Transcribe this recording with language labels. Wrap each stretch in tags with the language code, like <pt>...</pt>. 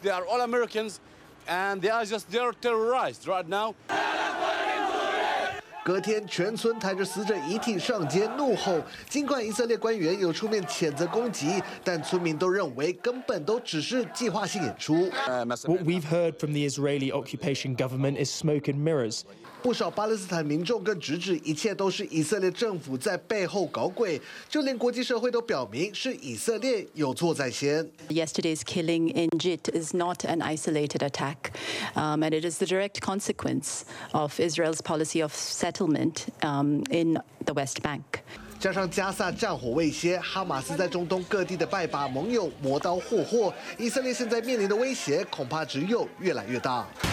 <en>They are all Americans. And they are just terrorized right now.</en> <zh>隔天，全村抬着死者遗体上街怒吼。尽管以色列官员有出面谴责攻击，但村民都认为根本都只是计划性演出。</zh> <en>What we've heard from the Israeli occupation government is smoke and mirrors.</en> <zh>不少巴勒斯坦民众更直指一切都是以色列政府在背后搞鬼，就连国际社会都表明是以色列有错在先。</zh> <en>Yesterday's killing in Jit is not an isolated attack, and it is the direct consequence of Israel's policy of settlement, in the West Bank.</en> <zh>加上加萨战火未歇，哈马斯在中东各地的拜把盟友磨刀霍霍，以色列现在面临的威胁恐怕只有越来越大。</zh>